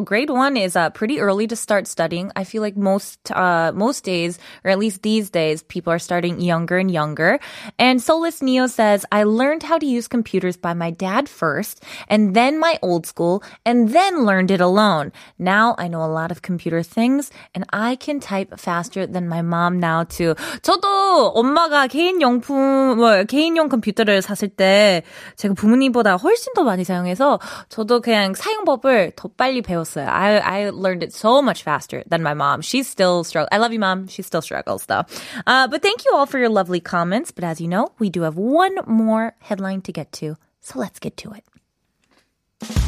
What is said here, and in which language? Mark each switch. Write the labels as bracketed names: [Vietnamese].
[English] Grade 1 is pretty early to start studying. I feel like most days, or at least these days, people are starting younger and younger. And Solis Neo says, I learned how to use computers by my dad first, and then my old school, and then learned it alone. Now I know a lot of computer things, and I can type faster than my mom now too. [Korean] 저도 엄마가 개인용 컴퓨터를 샀을 때 제가 부모님보다 훨씬 더 많이 사용해서 저도 그냥 사용법을 더 빨리 배웠어요. [English] I learned it so much faster than my mom. She's still struggling. I love you, mom. She still struggles though. But thank you all for your lovely comments. But as you know, we do have one more headline to get to. So let's get to it.